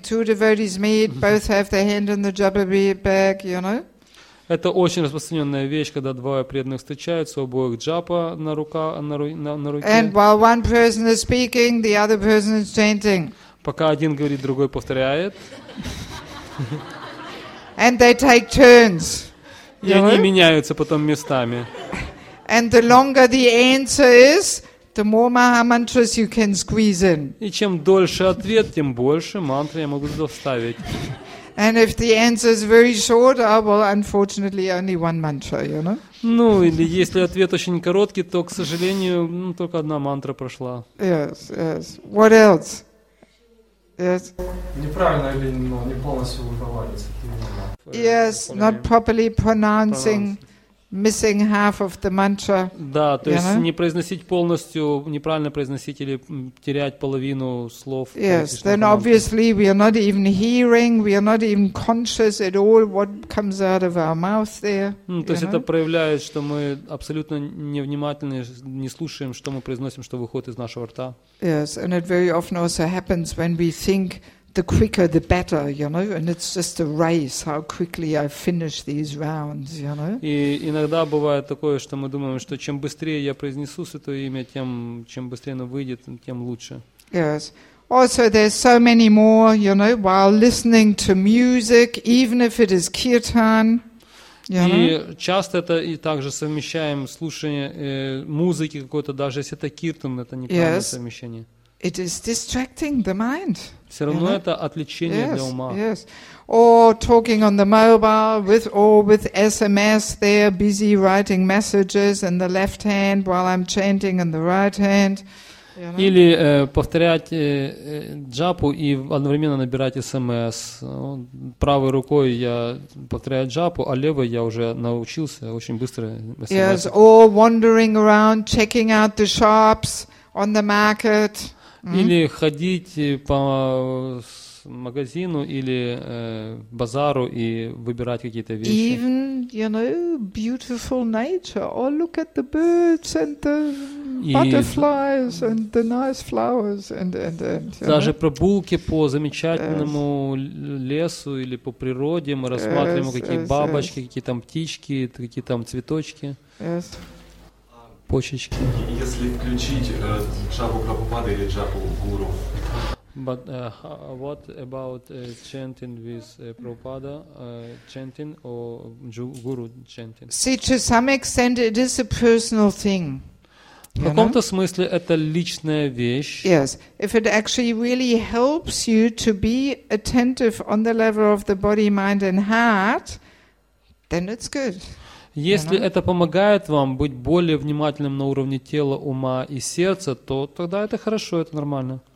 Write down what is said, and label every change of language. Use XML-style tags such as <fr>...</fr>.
<en>Two devotees meet, both have their hand in the japa bag, you know.</en> <ru>Это очень распространенная вещь, когда двое преданных встречаются, у обоих джапа на руке.</ru> <en>And while one person is speaking, the other person is chanting.</en> <ru>Пока один говорит, другой повторяет.</ru> <en>And they take turns.</en> <ru>И они меняются потом местами.</ru> <en>And the longer the answer is, the more mahamantras you can squeeze in.</en> <ru>И чем дольше ответ, тем больше мантры я могу доставить.</ru> <en>And if the answer is very short, unfortunately, only one mantra, you know?</en> <ru>Ну, или если ответ очень короткий, то, к сожалению, ну, только одна мантра прошла.</ru> <en>Yes, yes. What else? Yes.</en> <ru>Неправильно или не полностью выговаривается.</ru> <en>Yes, not properly pronouncing, missing half of the mantra.</en> <ru>Да, то есть не произносить полностью, неправильно произносить или терять половину слов.</ru> <en>Yes, then obviously we are not even hearing, we are not even conscious at all what comes out of our mouth there.</en> <ru>То есть это проявляет, что мы абсолютно невнимательны, не слушаем, что мы произносим, что выходит из нашего рта.</ru> <en>Yes, and it very often also happens when we think the quicker the better, you know, and it's just a race how quickly I finish these rounds, you know.</en> <ru>И иногда бывает такое, что мы думаем, что чем быстрее я произнесу святое имя, тем чем быстрее оно выйдет, тем лучше.</ru> <en>Yes. Also, there's so many more, you know, while listening to music, even if it is kirtan.</en> <ru>И часто это и также совмещаем слушание музыки какой-то, даже если это киртан, это неправильное совмещение.</ru> <en>It is distracting the mind.</en> <ru>Все равно это отвлечение для ума.</ru> <en>Yes. Or talking on the mobile with SMS, they're busy writing messages in the left hand while I'm chanting in the right hand.</en> <ru>Или повторять джапу и одновременно набирать SMS. Правой рукой я повторяю джапу, а левой я уже научился очень быстро SMS.</ru> <en>Yes. Or wandering around, checking out the shops on the market.</en> <ru>Или ходить по магазину или базару и выбирать какие-то вещи.</ru> <en>Even, you know, beautiful nature. Oh, look at the birds and the butterflies and the nice flowers and</en> <ru>даже прогулки по замечательному лесу или по природе, мы рассматриваем какие бабочки, какие там птички, какие там цветочки.</ru> <en>Yes.</en> <ru>Почечки. Если включить джапу Прабхупады или джапу Гуру.</ru> <en>But what about chanting with Prabhupada chanting or Guru chanting? See, to some extent it is a personal thing.</en> <ru>В каком-то смысле это личная вещь.</ru> <en>Yes, if it actually really helps you to be attentive on the level of the body, mind and heart, then it's good.</en> <ru>Если это помогает вам быть более внимательным на уровне тела, ума и сердца, то тогда это хорошо, это нормально.</ru>